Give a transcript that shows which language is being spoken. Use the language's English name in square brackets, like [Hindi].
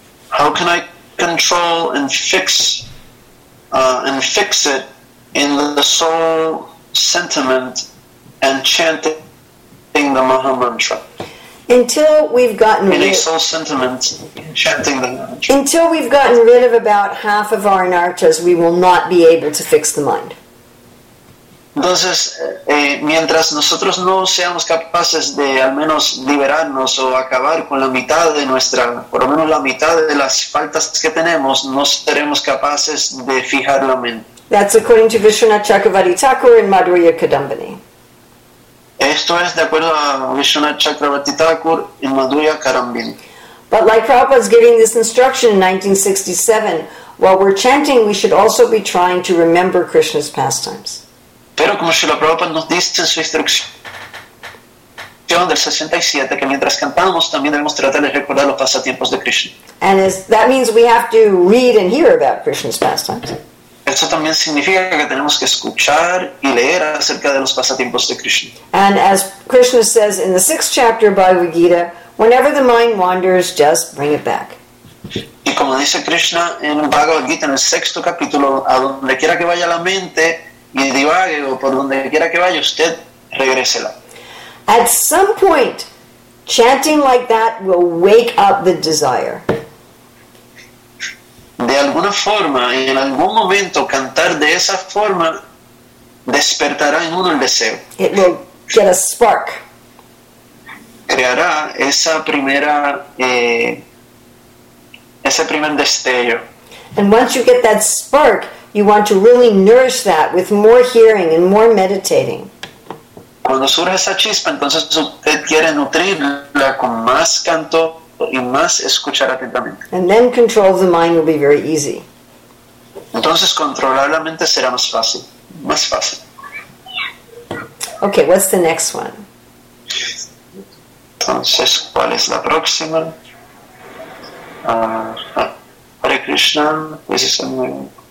[English] How can I control and fix it in the soul sentiment and chant it? The Maha Mantra. Until we've gotten rid of soul sentiment, chanting the mantra. Until we've gotten rid of about half of our anarthas, we will not be able to fix the mind. [Spanish] Entonces, mientras nosotros no seamos capaces de al menos liberarnos o acabar con la mitad de nuestra, por lo menos la mitad de las faltas que tenemos, no seremos capaces de fijar la mente. [English] That's according to Vishwanath Chakravarti Thakur in Madhurya Kadambini. [Spanish] Esto es de acuerdo a Vishwanath Chakravarti Thakur en Madhurya Kadambini. [English] But like Prabhupada's giving this instruction in 1967, while we're chanting, we should also be trying to remember Krishna's pastimes. [Spanish] Pero como Srila Prabhupada nos dice en su instrucción del 67, que mientras cantamos también debemos tratar de recordar los pasatiempos de Krishna. [English] And that means we have to read and hear about Krishna's pastimes. [Spanish] Eso también significa que tenemos que escuchar y leer acerca de los pasatiempos de Krishna. [English] And as Krishna says in the 6th chapter of Bhagavad Gita, whenever the mind wanders, just bring it back. [Spanish] Y como dice Krishna en Bhagavad Gita en el 6th capítulo, a donde quiera que vaya la mente y divague, o por donde quiera que vaya usted, regrésela. [English] At some point, chanting like that will wake up the desire. [Spanish] De alguna forma, en algún momento, cantar de esa forma despertará en uno el deseo. [English] It will get a spark. [Spanish] Creará esa primera, ese primer destello. [English] And once you get that spark, you want to really nourish that with more hearing and more meditating. [Spanish] Cuando surge esa chispa, entonces usted quiere nutrirla con más canto. [English] And then control of the mind will be very easy. [Spanish] Entonces controlar la mente será más fácil, más fácil. [English] Okay, what's the next one? [Spanish] Entonces, ¿cuál es la próxima? Hare Krishna, [English] this is a new